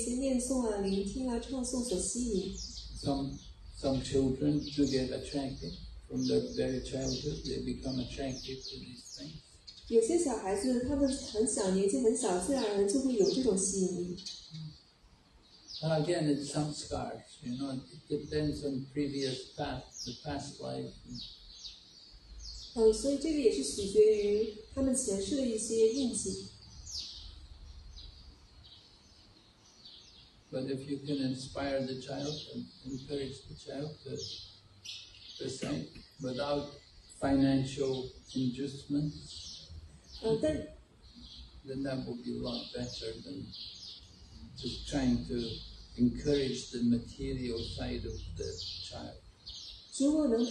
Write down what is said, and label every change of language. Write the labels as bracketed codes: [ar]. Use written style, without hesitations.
[zh] 如果这个孩子他是自然而然的被一些念诵啊、聆听啊、唱诵所吸引。 [en] Some children do get attracted from their very childhood. They become attracted to these things. [zh] 有些小孩子他们很小，年纪很小，自然而然就会有这种吸引力。 [en] But again, it's samskars, you know, it depends on previous path, the past life. But if you can inspire the child and encourage the child to recite without financial inducements, then that would be a lot better than just trying to encourage the material side of the child.